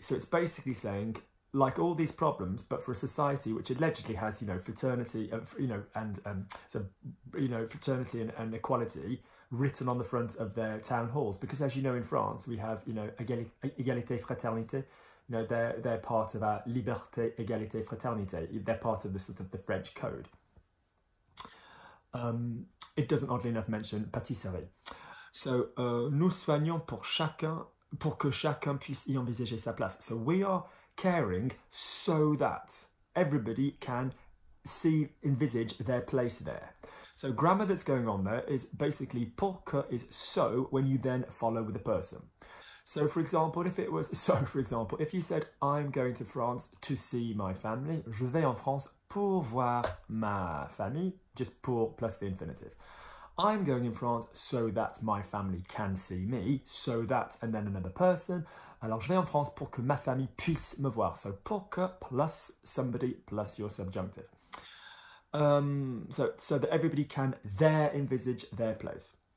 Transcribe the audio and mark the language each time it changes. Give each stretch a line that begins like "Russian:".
English: So it's basically saying, like all these problems, but for a society which allegedly has, you know, fraternity, fraternity and equality written on the front of their town halls. Because as you know, in France, we have, you know, égalité, fraternité. You know, they're part of our
French: liberté, égalité, fraternité.
English: They're part of the sort of the French code. It doesn't oddly enough mention pâtisserie.
French: So, nous soignons pour chacun, pour que chacun puisse y envisager sa place.
English: So, we are caring so that everybody can see, envisage their place there. So, grammar that's going on there is basically pour que is so when you then follow with a person. So, for example, if you said, I'm going to France to see my family,
French: je vais en France pour voir ma famille,
English: just pour plus the infinitive. I'm going in France so that my family can see me, so that, and then another person.
French: Alors, je vais en France pour que ma famille puisse me voir.
English: So, pour que plus somebody plus your subjunctive. So that everybody can there envisage their place.